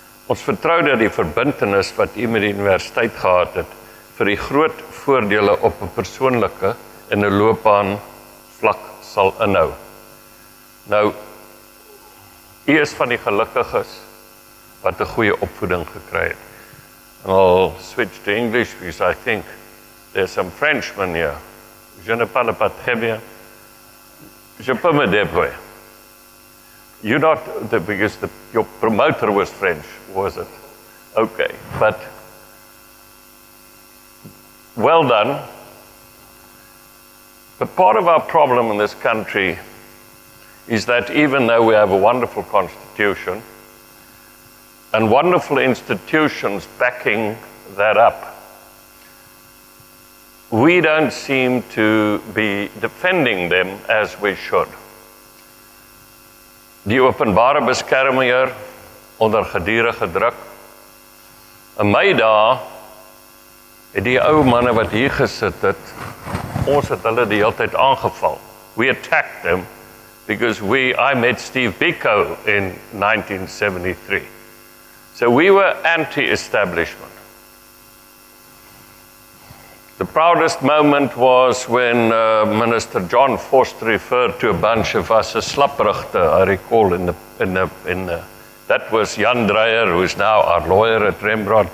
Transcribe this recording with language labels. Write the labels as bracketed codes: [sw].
[af] Ons vertrou dat die verbintenis wat u met die universiteit gehad het, vir die groot voordele op 'n persoonlike en 'n loopbaan vlak sal inhou. Nou, u is van die gelukkiges wat 'n goeie opvoeding gekry het. [en] And I'll switch to English because I think there's some Frenchmen here. [fr] Je ne parle pas très bien. Je peux me débrouiller. [en] You're not the biggest, your promoter was French, was it? Okay, but well done. But part of our problem in this country is that even though we have a wonderful constitution and wonderful institutions backing that up, we don't seem to be defending them as we should. [af] Die openbare beskermer onder gedurende druk. In my dae het die ou manne wat hier gesit het, ons het hulle die hele tyd aangeval. [en] We attacked them because I met Steve Biko in 1973. So we were anti-establishment. The proudest moment was when Minister John Forster referred to a bunch of us as slaprichter, I recall, that was Jan Dreyer, who is now our lawyer at Rembrandt.